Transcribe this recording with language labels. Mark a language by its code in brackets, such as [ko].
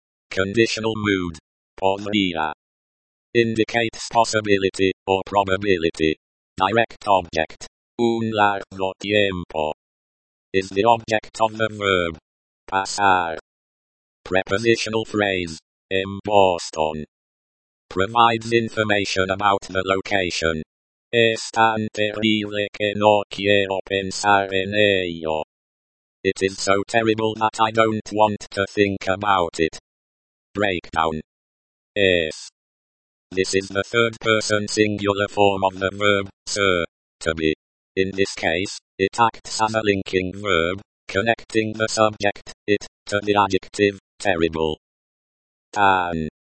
[en] Conditional mood. Podría. Indicates possibility or probability. Direct object. Un largo tiempo. Is the object of the verb. Pasar. Prepositional phrase. [es] En Boston. [en] Provides information about the location. [es] Es tan terrible que no quiero pensar en ello. [en] It is so terrible that I don't want to think about it. Breakdown. Es. This is the third person singular form of the verb, sir, to be. In this case, it acts as a linking verb, connecting the subject, it, to the adjective, terrible. Tan.